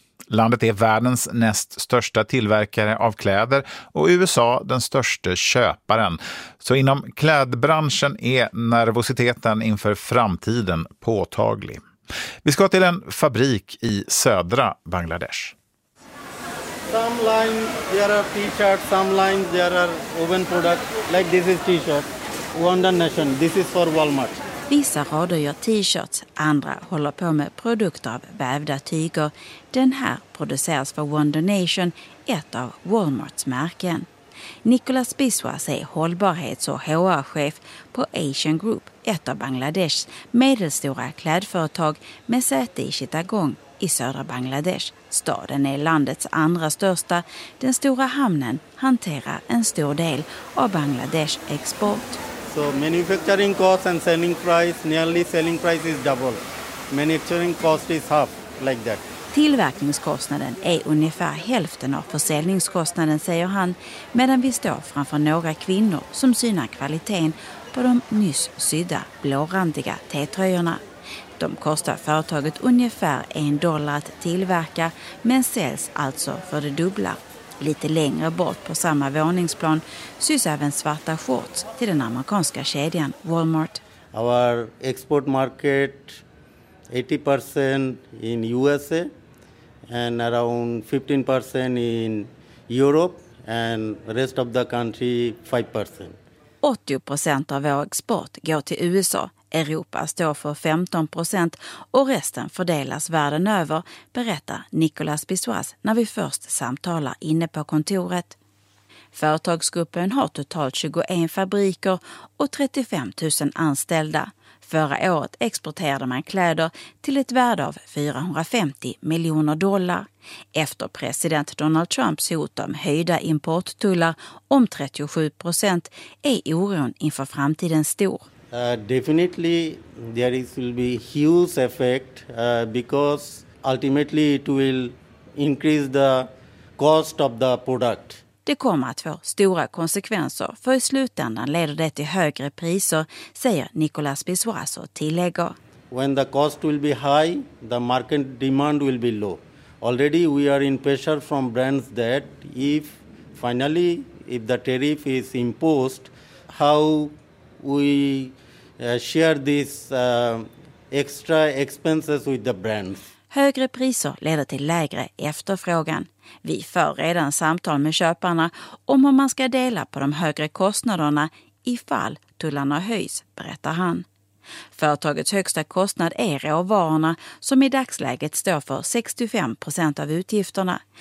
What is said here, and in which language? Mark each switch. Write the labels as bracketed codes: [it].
[sv] Landet är världens näst största tillverkare av kläder och USA den största köparen. Så inom klädbranschen är nervositeten inför framtiden påtaglig. Vi ska till en fabrik i södra Bangladesh. [en] Some lines there are t-shirts, some lines there are woven products. Like this is t-shirt, Wonder Nation, this is for Walmart. [sv] Vissa rader gör t-shirts, andra håller på med produkter av vävda tyger. Den här produceras för Wonder Nation, ett av Walmarts märken. Nicholas Biswas är hållbarhets- och HR-chef på Asian Group, ett av Bangladeshs medelstora klädföretag med säte i Chittagong i södra Bangladesh. Staden är landets andra största. Den stora hamnen hanterar en stor del av Bangladesh export. [en] So manufacturing cost and selling price, nearly selling price is double. Manufacturing cost is half, like that. [sv] Tillverkningskostnaden är ungefär hälften av försäljningskostnaden, säger han, medan vi står framför några kvinnor som synar kvaliteten på de nyss sydda blårandiga t-tröjorna. De kostar företaget ungefär $1 att tillverka, men säljs alltså för det dubbla. Lite längre bort på samma våningsplan syns även svarta shorts till den amerikanska kedjan Walmart. [en] Our export market 80% in USA and around 15% in Europe and rest of the country 5%. [sv] 80% av vår export går till USA. Europa står för 15% och resten fördelas världen över, berättar Nicolas Biswas när vi först samtalar inne på kontoret. Företagsgruppen har totalt 21 fabriker och 35 000 anställda. Förra året exporterade man kläder till ett värde av $450 miljoner. Efter president Donald Trumps hot om höjda importtullar om 37% är oron inför framtiden stor. [en] Definitely there is will be huge effect because ultimately it will increase the cost of the product. [sv] Det kommer att få stora konsekvenser, för i slutändan leder det till högre priser, säger Nicolas Biswas och tillägger. [en] When the cost will be high, the market demand will be low. Already we are in pressure from brands that if the tariff is imposed, how we share these extra expenses with the brands. [sv] Högre priser leder till lägre efterfrågan. Vi för redan samtal med köparna om hur man ska dela på de högre kostnaderna ifall tullarna höjs, berättar han. Företagets högsta kostnad är råvarorna, som i dagsläget står för 65% av utgifterna.